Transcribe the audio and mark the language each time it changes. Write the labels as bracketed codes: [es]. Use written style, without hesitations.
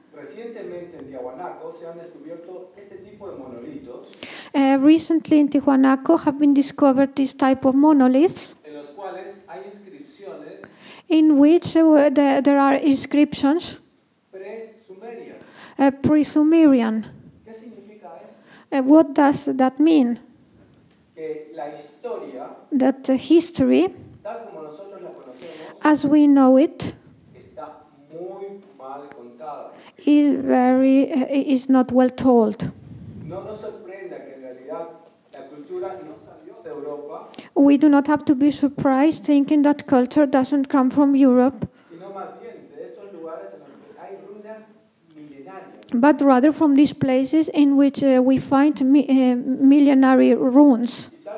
[es] recientemente en Tiwanaku se han descubierto este tipo de monolitos. [en] Recently in Tiwanaku have been discovered this type of monoliths, [es] en los cuales hay inscripciones, [en] in which there are inscriptions pre-Sumerian. What does that mean? [es] Que la historia, [en] that history, [es] tal como nosotros la conocemos, [en] as we know it, [es] está muy mal contada. [en] Is not well told. [es] No nos sorprenda que en realidad la cultura no salió de Europa. [en] We do not have to be surprised thinking that culture doesn't come from Europe. But rather from these places in which we find millenary ruins.